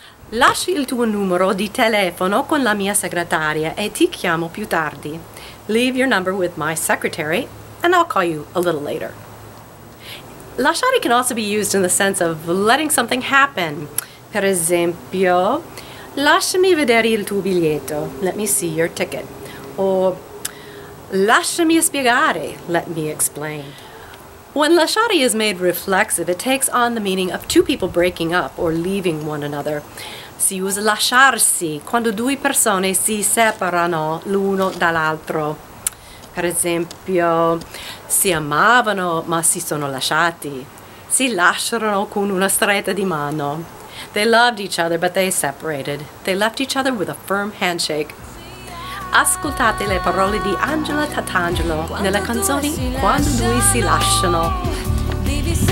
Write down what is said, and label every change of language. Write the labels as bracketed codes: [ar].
[it] Lasci il tuo numero di telefono con la mia segretaria e ti chiamo più tardi. [en] Leave your number with my secretary and I'll call you a little later. Lasciare can also be used in the sense of letting something happen. [it] Per esempio, lasciami vedere il tuo biglietto. [en] Let me see your ticket. [it] O lasciami spiegare. [en] Let me explain. When lasciare is made reflexive, it takes on the meaning of two people breaking up or leaving one another. [it] Si usa lasciarsi quando due persone si separano l'uno dall'altro. Per esempio, si amavano ma si sono lasciati. Si lasciarono con una stretta di mano. [en] They loved each other but they separated. They left each other with a firm handshake. [it] Ascoltate le parole di Angela Tatangelo nella canzone Quando due si lasciano.